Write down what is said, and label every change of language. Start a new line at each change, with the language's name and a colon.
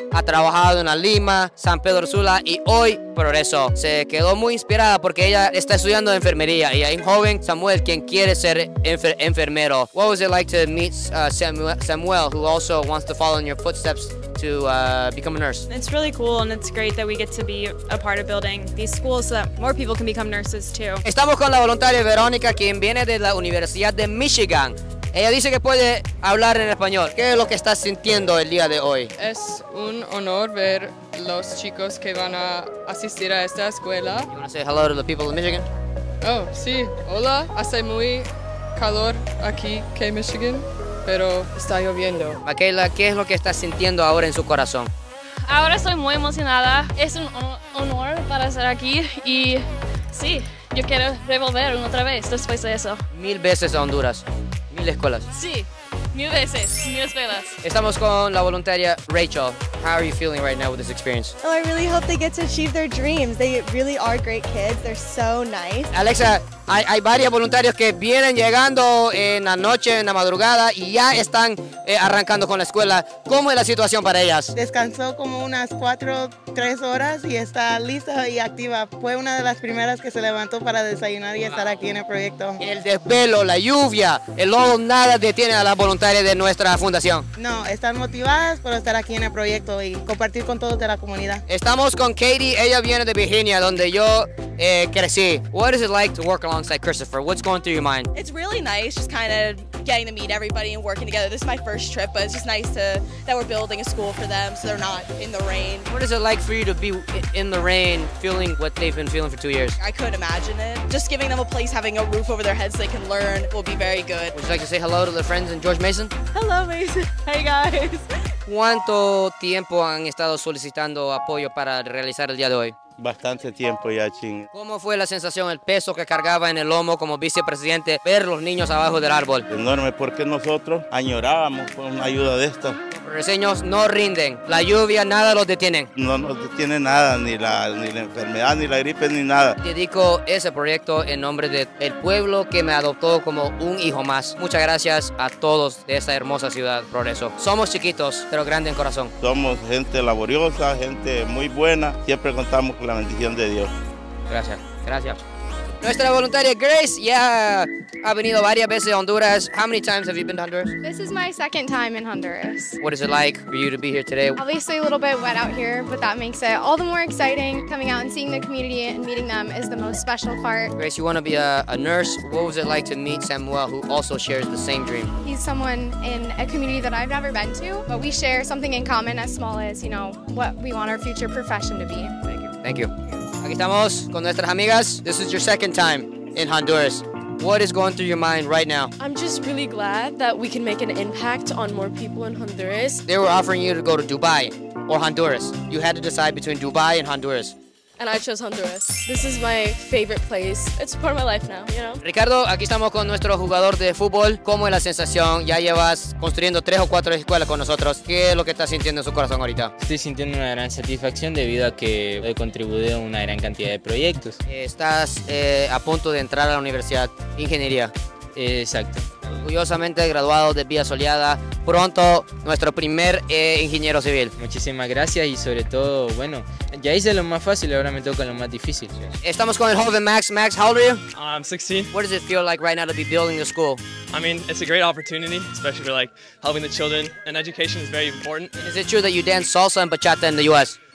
Spanish: Ha trabajado en la Lima, San Pedro Sula y hoy Progreso. Se quedó muy inspirada porque ella está estudiando enfermería y hay un joven Samuel quien quiere ser enfermero.
English: What was it like to meet Samuel, who also wants to follow in your footsteps to become a nurse? It's really cool and it's great that we get to be a part of building these schools so that more people can become nurses too.
Spanish: Estamos con la voluntaria Verónica, quien viene de la Universidad de Michigan. Ella dice que puede hablar en español. ¿Qué es lo que estás sintiendo el día de hoy? Es un honor ver los chicos que van a asistir a esta escuela.
English: You want to say hello to the people of Michigan?
Spanish: Oh, sí. Hola. Hace muy calor aquí que Michigan, pero está lloviendo. Makayla, ¿qué es lo que estás sintiendo ahora en su corazón? Ahora estoy muy emocionada. Es un honor para estar aquí y sí, yo quiero revolver otra vez después de eso. Mil veces a Honduras. ¿Mil escuelas? Sí, mil veces, mil escuelas. Estamos con la voluntaria Rachel.
English: How are you feeling right now with this experience? Oh, I really hope they get to achieve their dreams. They really are great kids. They're so nice.
Spanish: Alexa, hay varios voluntarios que vienen llegando en la noche, en la madrugada, y ya están arrancando con la escuela. ¿Cómo es la situación para ellas? Descansó como unas 4-3 horas y está lista y activa. Fue una de las primeras que se levantó para desayunar y estar aquí en el proyecto. El desvelo, la lluvia, el lodo, nada detiene a las voluntarias de nuestra fundación. No, están motivadas por estar aquí en el proyecto y compartir con todos de la comunidad. Estamos con Katie. Ella viene de Virginia, donde yo crecí.
English: What is it like to work alongside Christopher? What's going through your mind? It's really nice, just kind of getting to meet everybody and working together. This is my first trip, but it's just nice that we're building a school for them so they're not in the rain. What is it like for you to be in the rain feeling what they've been feeling for 2 years? I couldn't imagine it. Just giving them a place, having a roof over their heads so they can learn will be very good. Would you like to say hello to their friends and George Mason? Hello, Mason. Hey, guys.
Spanish: ¿Cuánto tiempo han estado solicitando apoyo para realizar el día de hoy? Bastante tiempo ya, Ching. ¿Cómo fue la sensación, el peso que cargaba en el lomo como vicepresidente, ver los niños abajo del árbol? Enorme, porque nosotros añorábamos una ayuda de esta. Los reseños no rinden, la lluvia nada los detiene. No nos detiene nada, ni la enfermedad, ni la gripe, ni nada. Dedico ese proyecto en nombre del pueblo que me adoptó como un hijo más. Muchas gracias a todos de esta hermosa ciudad, Progreso. Somos chiquitos, pero grande en corazón. Somos gente laboriosa, gente muy buena, siempre contamos con la bendición de Dios. Gracias, gracias. Nuestra voluntaria Grace ya ha venido varias veces a Honduras.
English: How many times have you been to Honduras? This is my second time in Honduras. What is it like for you to be here today? Obviously a little bit wet out here, but that makes it all the more exciting. Coming out and seeing the community and meeting them is the most special part. Grace, you want to be a nurse. What was it like to meet Samuel, who also shares the same dream? He's someone in a community that I've never been to, but we share something in common as small as, you know, what we want our future profession to be. Thank you.
Spanish: Aquí estamos con nuestras amigas.
English: This is your second time in Honduras. What is going through your mind right now? I'm just really glad that we can make an impact on more people in Honduras. They were offering you to go to Dubai or Honduras. You had to decide between Dubai and Honduras. And I chose Honduras. This is my favorite place. It's part of my life now, you know?
Spanish: Ricardo, aquí estamos con nuestro jugador de fútbol. ¿Cómo es la sensación? Ya llevas construyendo 3 o 4 escuelas con nosotros. ¿Qué es lo que estás sintiendo en su corazón ahorita? Estoy sintiendo una gran satisfacción debido a que he contribuido a una gran cantidad de proyectos. Estás a punto de entrar a la universidad. Ingeniería. Exacto. Orgullosamente graduado de Villa Soleada, pronto nuestro primer ingeniero civil. Muchísimas gracias y sobre todo, bueno, ya hice lo más fácil, ahora me toca lo más difícil. Estamos con el joven Max. Max,
English: how old are you? I'm 16. What does it feel like right now to be building the school? I mean, it's a great opportunity, especially for like helping the children, and education is very important. Is it true that you dance salsa and bachata in the U.S.?